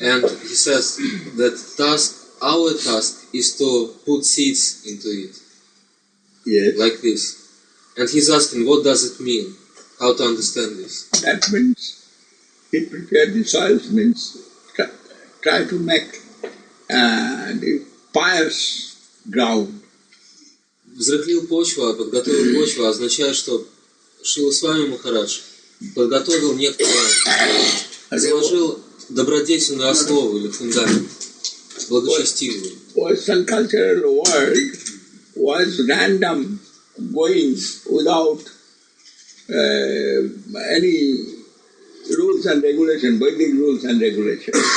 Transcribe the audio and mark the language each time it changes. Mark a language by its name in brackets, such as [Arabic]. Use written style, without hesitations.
[English] And he says that our task is to put seeds into it. Yes. Like this. And he's asking, what does it mean? How to understand this? That means he prepared the soil, means try to make the pious ground. [Russian] Взрыхлил почву, подготовил почву, означает, что Шрила Свами Махарадж подготовил некоторую, заложил добродетельную основу или фундамент, благочестивую. [English] Western cultural world was random going without any rules and regulation, Vedic rules and regulation.